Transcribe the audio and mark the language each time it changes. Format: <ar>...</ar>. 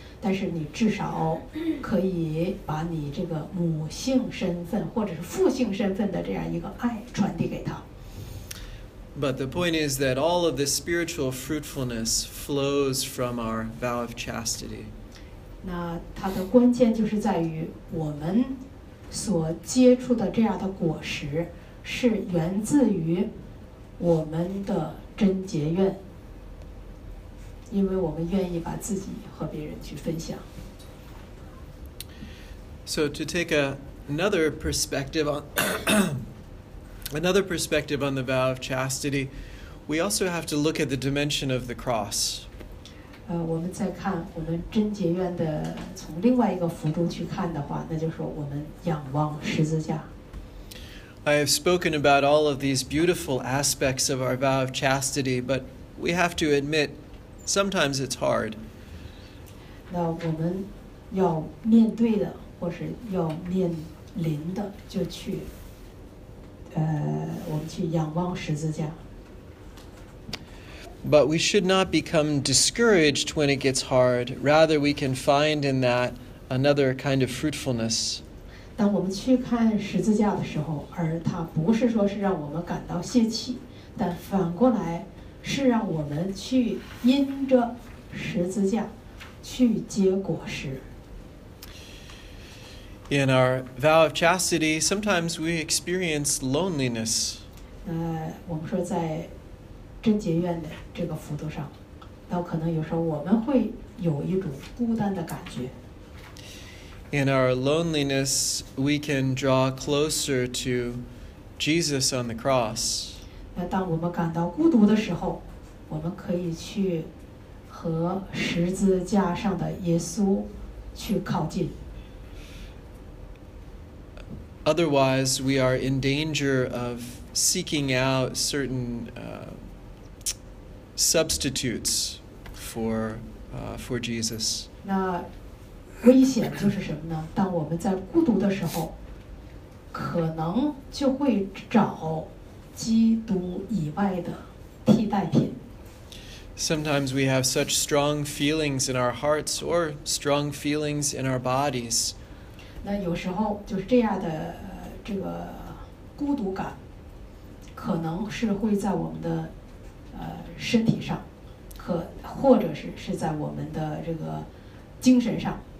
<zh>但是你至少可以把你这个母性身份或者是父性身份的这样一个爱传递给他。</zh> <en>But the point is that all of this spiritual fruitfulness flows from our vow of chastity.</en> <zh>那它的关键就是在于我们所结出的这样的果实是源自于我们的贞洁愿。因为我们愿意把自己和别人去分享。</zh> <en>So to take another perspective another perspective on the vow of chastity, we also have to look at the dimension of the cross.</en> <zh>我们再看我们贞洁院的从另外一个幅度去看的话，那就是我们仰望十字架。</zh> <en>I have spoken about all of these beautiful aspects of our vow of chastity, but we have to admit, sometimes it's hard.</en> <zh>那我们要面对的，或是要面临的，就去，我们去仰望十字架。</zh> <en>But we should not become discouraged when it gets hard. Rather, we can find in that another kind of fruitfulness.</en> <zh>当我们去看十字架的时候，而它不是说是让我们感到泄气，但反过来是让我们去因着十字架去结果实。</zh> <en>In our vow of chastity, sometimes we experience loneliness.</en> <zh>我们说在贞洁院的这个幅度上，那可能有时候我们会有一种孤单的感觉。</zh> <en>In our loneliness, we can draw closer to Jesus on the cross.</en> <zh>那当我们感到孤独的时候，我们可以去和十字架上的耶稣去靠近。</zh> <en>Otherwise, we are in danger of seeking out certain substitutes for Jesus.</en> <zh>那危险就是什么呢？当我们在孤独的时候，可能就会找基督以外的替代品。</zh> <en>Sometimes we have such strong feelings in our hearts or strong feelings in our bodies.</en> <zh>那有时候就是这样的这个孤独感，可能是会在我们的身体上，或者是在我们的这个精神上。</zh>